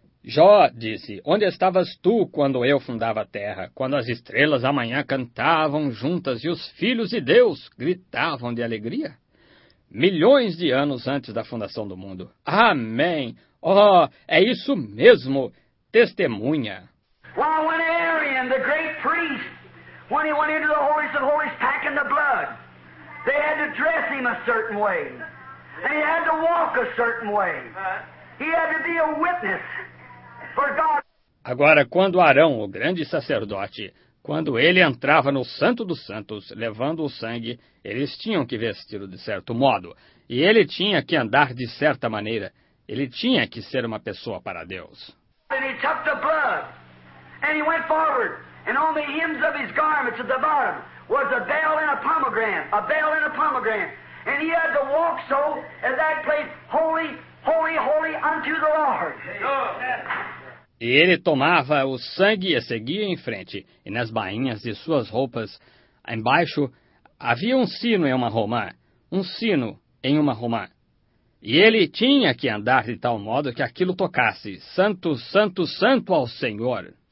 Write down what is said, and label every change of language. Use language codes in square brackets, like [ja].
[pt] Jó disse, onde estavas tu quando eu fundava a terra, quando as estrelas amanhã cantavam juntas e os filhos de Deus gritavam de alegria? Milhões de anos antes da fundação do mundo. Amém. Oh, é isso mesmo. Testemunha. [en] Well, when Aaron, the great priest, when he went into the holies of holies, packing the blood, they had to dress him a certain way. And he had to walk a certain way. He had to be a witness for God. [pt] Agora, quando Arão, o grande sacerdote, quando ele entrava no Santo dos Santos, levando o sangue, eles tinham que vesti-lo de certo modo. E ele tinha que andar de certa maneira. Ele tinha que ser uma pessoa para Deus. E ele [en] took the blood. And he went forward. And on the hems of his garments at the bottom was a bell and a pomegranate, a bell and a pomegranate. And he had to walk so at that place, holy, holy, holy unto the Lord. [pt] E ele tomava o sangue e seguia em frente, e nas bainhas de suas roupas, embaixo, havia um sino em uma romã, um sino em uma romã. E ele tinha que andar de tal modo que aquilo tocasse, santo, santo, santo ao Senhor.